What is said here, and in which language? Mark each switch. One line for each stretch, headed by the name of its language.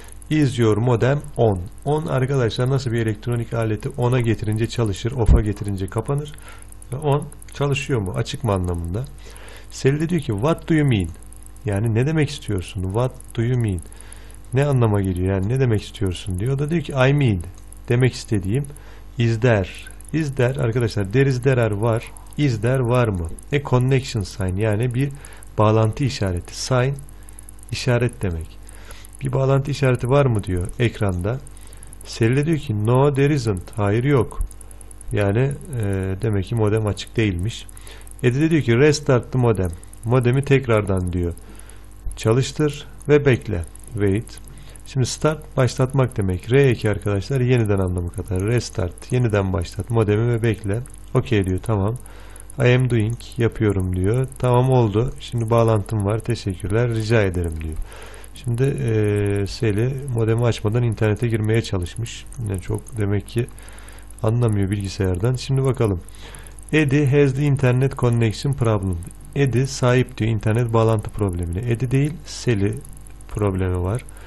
English: Is your modem on?
Turkish: On arkadaşlar nasıl bir elektronik aleti ona getirince çalışır, off'a getirince kapanır. On çalışıyor mu? Açık mı anlamında? Sally de diyor ki
English: what do you mean?
Turkish: Yani ne demek istiyorsun?
English: What do you mean?
Turkish: Ne anlama geliyor? Yani ne demek istiyorsun? Diyor. O da diyor ki
English: I mean.
Turkish: Demek istediğim is there. Is there arkadaşlar there is there are var. Is there var mı?
English: A connection sign
Turkish: yani bir bağlantı işareti. Sign işaret demek. Bir bağlantı işareti var mı diyor ekranda. Sally diyor ki
English: no there isn't.
Turkish: Hayır yok. Yani demek ki modem açık değilmiş. Eddie de diyor ki
English: restart the modem.
Turkish: Modemi tekrardan diyor. Çalıştır ve bekle. Wait. Şimdi start başlatmak demek. R eki arkadaşlar yeniden anlamı kadar. Restart. Yeniden başlat. Modemi ve bekle. Okey diyor tamam.
English: I am doing.
Turkish: Yapıyorum diyor. Tamam oldu. Şimdi bağlantım var. Teşekkürler. Rica ederim diyor. Şimdi Sally modemi açmadan internete girmeye çalışmış. Yine çok demek ki anlamıyor bilgisayardan. Şimdi bakalım.
English: Eddie has the internet connection problem.
Turkish: Eddie sahip diyor internet bağlantı problemine. Eddie değil Sally problemi var.